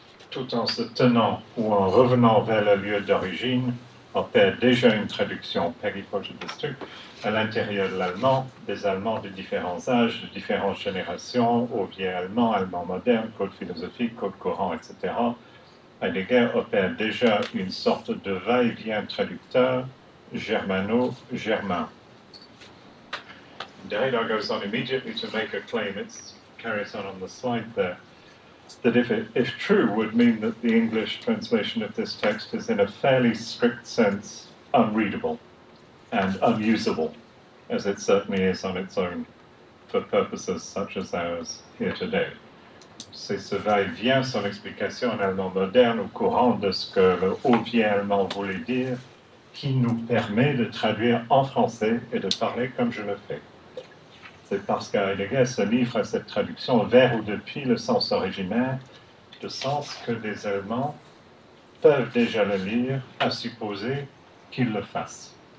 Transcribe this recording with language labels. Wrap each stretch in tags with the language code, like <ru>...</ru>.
<fr>tout en se tenant ou en revenant vers le lieu d'origine, opère déjà une traduction péripologistique à l'intérieur de l'allemand, des Allemands de différents âges, de différentes générations, au vieil allemand, allemand moderne, code philosophique, code courant, etc. Heidegger opère déjà une sorte de va-et-vient traducteur germano-germain.</fr> <en>Derrida goes on immediately to make a claim, it carries on the slide there, that if true would mean that the English translation of this text is in a fairly strict sense unreadable and unusable, as it certainly is on its own for purposes such as ours here today.</en> <fr>C'est ce va-et-vient, son explication en allemand moderne, au courant de ce que le haut vieil allemand voulait dire, qui nous permet de traduire en français et de parler comme je le fais. C'est parce qu'Heidegger se livre à cette traduction vers ou depuis le sens originaire, de sens que des Allemands peuvent déjà le lire à supposer qu'ils le fassent.</fr>